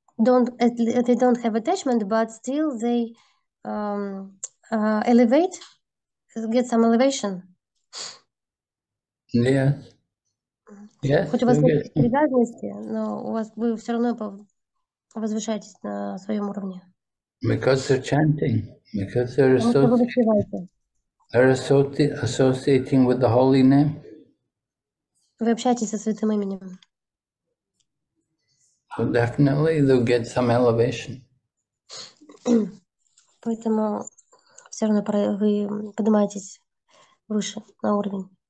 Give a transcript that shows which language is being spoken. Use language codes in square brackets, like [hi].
[en] Don't they don't have attachment, but still they elevate, get some elevation. Yes. Yes. [ru] Хоть у вас нет привязанности, но у вас вы все равно возвышаетесь на своем уровне. [en] Because they're chanting, because they're associating with the holy name. [ru] Вы общаетесь со святым именем. [en] So definitely they'll get some elevation. [ru] Поэтому все равно вы поднимаетесь выше на уровень.